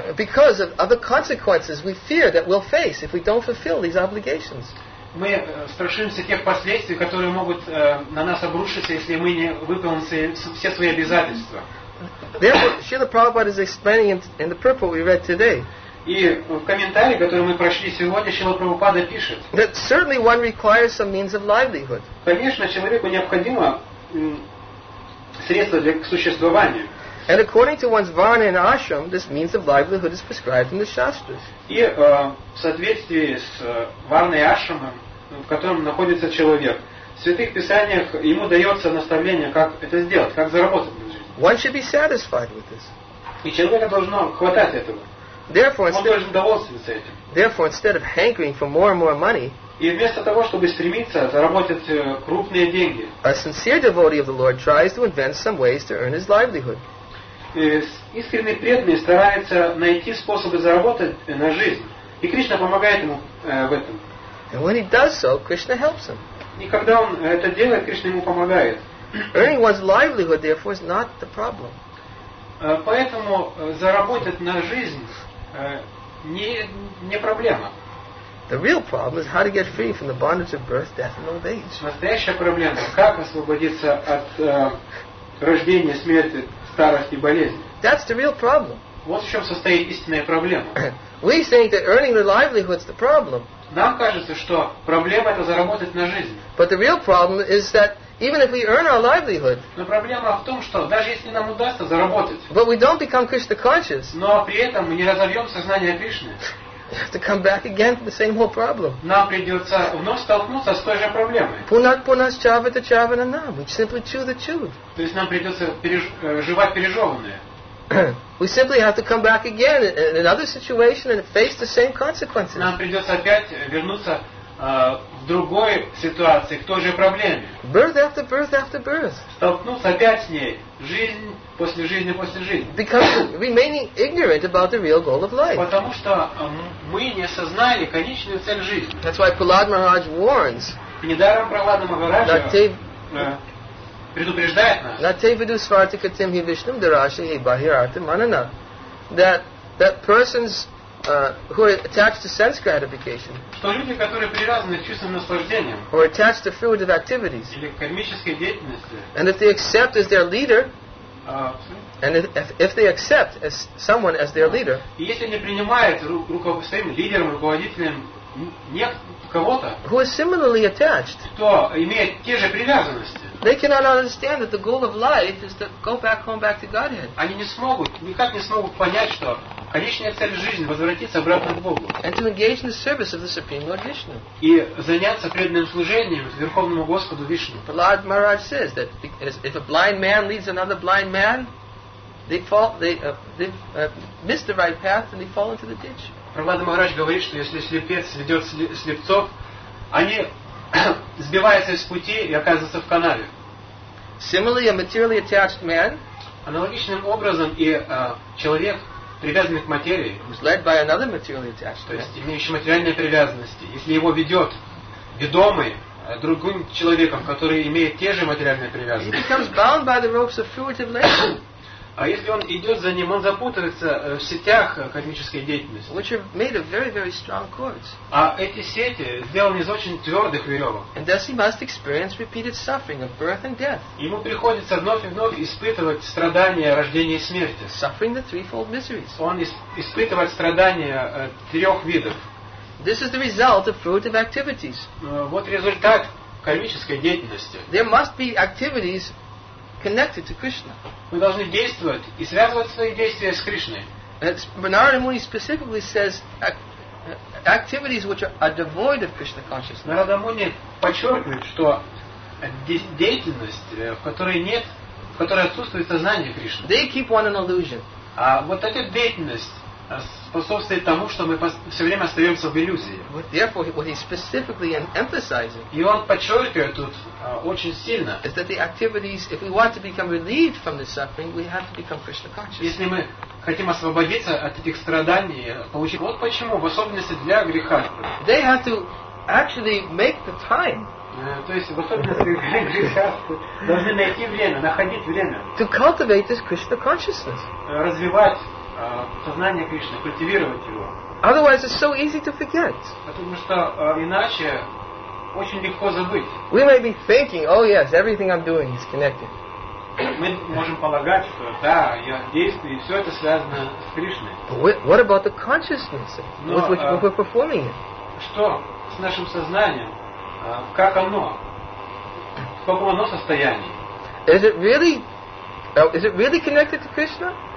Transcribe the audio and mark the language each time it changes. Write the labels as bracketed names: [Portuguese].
[English] Because of the consequences we fear that we'll face if we don't fulfill these obligations. [Russian] Мы страшимся тех последствий, которые могут на нас обрушиться, если мы не выполним все свои обязательства. [English] Therefore, Srila Prabhupada is explaining in the purport we read today. [Russian] И в комментарии, который мы прошли сегодня, Шрила Прабхупада пишет. [English] That certainly one requires some means of livelihood. [Russian] Конечно, человеку необходимо средства для существования. [English] And according to one's varna and ashram, this means of livelihood is prescribed in the shastras. [Russian] И в соответствии с варной и ашрамом, в котором находится человек, в святых писаниях ему дается наставление, как это сделать, как заработать на жизнь. [English] One should be satisfied with this. [Russian] И человека должно хватать этого. [English] Therefore, [Russian] он должен довольствоваться этим. [English] Therefore, instead of hankering for more and more money, [Russian] и вместо того, чтобы стремиться заработать крупные деньги, [English] a sincere devotee of the Lord tries to invent some ways to earn his livelihood. [Russian] Искренний преданный старается найти способы заработать на жизнь. И Кришна помогает ему в этом. [English] And when he does so, Krishna helps him. [Russian] И когда он это делает, Кришна ему помогает. [English] Earning one's livelihood, therefore, is not the problem. [Russian] Поэтому заработать на жизнь не проблема. [English] The real problem is how to get free from the bondage of birth, death, and old age. [Russian] Настоящая проблема – как освободиться от рождения, смерти, старости, болезни. [English] That's the real problem. [Russian] Вот в чем состоит истинная проблема. [English] We think that earning the livelihood is the problem. [Russian] Нам кажется, что проблема – это заработать на жизнь. [English] But the real problem is that even if we earn our livelihood, [Russian] но проблема в том, что даже если нам удастся заработать, [English] but we don't become Krishna conscious, [Russian] но при этом мы не разовьем сознание Кришны, [English] we have to come back again to the same whole problem. [Russian] Нам придется вновь столкнуться с той же проблемой. [Sanskrit] Пунат пунас чавита чавана нам. [English] We simply chew the chewed. [Russian] То есть нам придется жевать пережеванное. [English] We simply have to come back again in another situation and face the same consequences. [Russian] Нам придется опять вернуться в другой ситуации, к той же проблеме. [English] Birth after birth after birth. [Russian] Столкнуться опять с ней. Жизнь после жизни после жизни. [English] Because remaining ignorant about the real goal of life. [Russian] Потому что мы не осознали конечную цель жизни. [English] That's why Prahlad Maharaj warns. [Russian] И недаром Прахлад Махараджа предупреждает нас. [Sanskrit] На те виду сварта тем хи вишнам дараши хи бахирарта манана. [English] That persons who are attached to sense gratification, [Russian] что люди, которые привязаны к чувствам наслаждения, [English] or attached to fruitive activities, [Russian] или к кармической деятельности, [English] and if they accept as their leader, and if they accept as someone as their leader, [Russian] и если они принимают своим лидером, руководителем кого-то, [English] who is similarly attached, [Russian] кто имеет те же привязанности, [English] they cannot understand that the goal of life is to go back home, back to Godhead. [Russian] Они не смогут, никак не смогут понять, что конечная цель жизни – возвратиться обратно к Богу. [English] And to engage in the service of the Supreme Lord Vishnu. [Russian] И заняться преданным служением Верховному Господу Вишну. [English] Prahlad Maharaj says that if a blind man leads another blind man, they fall, they miss the right path and they fall into the ditch. [Russian] Prahlad Maharaj говорит, что если слепец ведет слепцов, они сбивается из пути и оказывается в канаве. [English] Similarly, a materially attached man, [Russian] аналогичным образом и человек, привязанный к материи, [English] is led by another materially attached man, [Russian] то есть имеющий материальные привязанности, если его ведет ведомый другим человеком, который имеет те же материальные привязанности, [English] he becomes bound by the ropes of fruitive labor. [Russian] А если он идет за ним, он запутывается в сетях кармической деятельности. [English] Which have made a very, very strong cords. [Russian] А эти сети сделаны из очень твердых веревок. [English] And thus he must experience repeated suffering of birth and death. [Russian] Ему приходится вновь и вновь испытывать страдания рождения и смерти. [English] Suffering the threefold miseries. [Russian] Он испытывает страдания трех видов. [English] This is the result of fruitive activities. [Russian] Вот результат кармической деятельности. [English] There must be activities connected to Krishna. [Russian] Мы должны действовать и связывать свои действия с Кришной. [English] Narada Muni specifically says activities which are devoid of Krishna consciousness. [Russian] Narada Muni подчеркивает, что деятельность, в которой нет, в которой отсутствует сознание Кришны. [English] They keep one an illusion. [Russian] А вот эта деятельность способствует тому, что мы все время остаемся в иллюзии. [English] Therefore, what he's specifically emphasizing, [Russian] и он подчеркивает тут очень сильно, [English] is that the activities, if we want to become relieved from this suffering, we have to become Krishna conscious. [Russian] Если мы хотим освободиться от этих страданий, получить, вот почему, в особенности для греха. [English] They have to actually make the time. [Russian] То есть в особенности для греха должны найти время, находить время. [English] To cultivate this Krishna consciousness. [Russian] Развивать сознание Кришны, культивировать его. [English] Otherwise, it's so easy to forget. [Russian] Потому что иначе очень легко забыть. [English] We may be thinking, oh yes, everything I'm doing is connected. [Russian] Мы можем полагать, что да, я действую, и все это связано с Кришной. [English] What about the consciousness with which we're performing it? [Russian] Что с нашим сознанием? Как оно? В каком оно состоянии? [English] Is it really connected to Krishna?